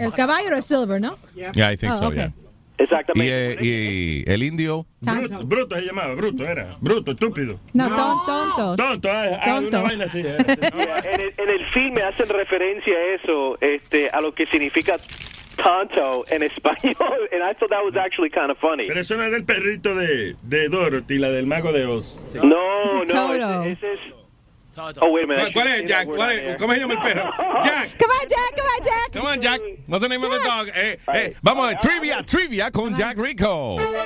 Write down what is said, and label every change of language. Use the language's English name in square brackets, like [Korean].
[Spanish] El caballero es Silver, ¿no? [English] Yeah, I think so, okay. Yeah. [Spanish] Exactamente. Y el indio... Bruto se llamaba, bruto era. Bruto, estúpido. No, tonto. Tonto. Una vaina así. En el filme hacen referencia a eso, a lo que significa... Tonto en español, [English] and I thought that was actually kind of funny. [Spanish] Pero eso no es del perrito de Dorothy, la del mago de Oz. No, Toto. Oh, wait a minute. ¿Cuál es, Jack? ¿Cuál es? ¿Cómo se llama el perro? Jack. [English] Come on, Jack. What's the name of the dog? [Spanish] Vamos a trivia con [English] Jack Rico.